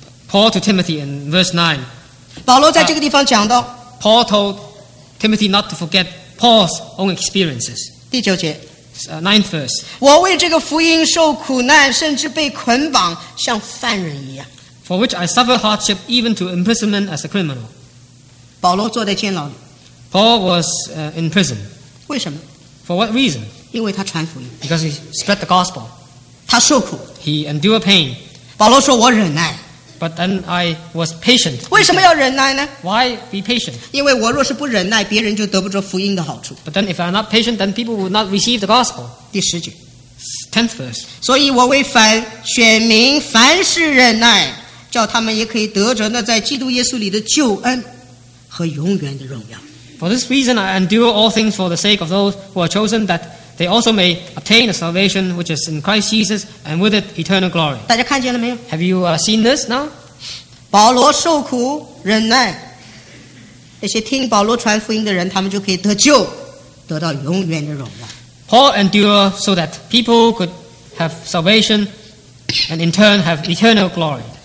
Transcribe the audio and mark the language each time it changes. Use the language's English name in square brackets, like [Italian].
[English] Paul to Timothy in verse 9. [Chinese] 保罗在这个地方讲到, [English] Paul told Timothy not to forget Paul's own experiences. [Chinese] 第九节, [English] ninth verse. [Chinese] 我为这个福音受苦难，甚至被捆绑， 像犯人一样。 [English] For which I suffer hardship even to imprisonment as a criminal. [Chinese] 保罗坐在监牢里。 [English] Paul was in prison. [Chinese] 为什么? [English] For what reason? [Chinese] 因为他传福音。 [English] Because he spread the gospel. [Chinese] 他受苦。 [English] He endured pain. [Chinese] 保罗说我忍耐。 [English] But then I was patient. [Chinese] 为什么要忍耐呢? [English] Why be patient? [Chinese] 因为我若是不忍耐, 别人就得不着福音的好处。 [English] But then if I'm not patient, then people will not receive the gospel. [Chinese] 第十节, [English] tenth verse. [Chinese] 所以我为凡选民凡事忍耐, 叫他们也可以得着那在基督耶稣里的救恩和永远的荣耀。 [English] For this reason, I endure all things for the sake of those who are chosen, that they also may obtain a salvation which is in Christ Jesus, and with it eternal glory. [Chinese] 大家看见了没有? [English] Have you seen this now? [Chinese] 保罗受苦忍耐, 那些听保罗传福音的人, 他们就可以得救, 得到永远的荣耀。 [English] Paul endured so that people could have salvation and in turn have eternal glory.